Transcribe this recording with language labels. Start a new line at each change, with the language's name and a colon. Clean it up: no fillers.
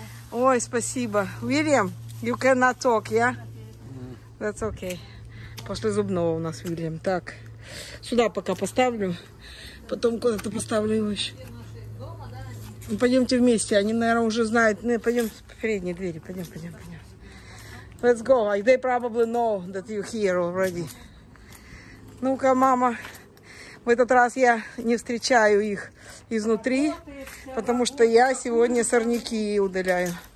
Russian: Ой, спасибо.
English: Вильям, you cannot talk, yeah? That's okay.
Russian: После зубного у нас Вильям. Так. Сюда пока поставлю, потом куда-то поставлю его еще. Пойдемте вместе, они, наверное, уже знают. Ну, пойдем в передние двери, пойдем.
English: Let's go, they probably know that you're here already.
Russian: Ну-ка, мама, в этот раз я не встречаю их изнутри, потому что я сегодня сорняки удаляю.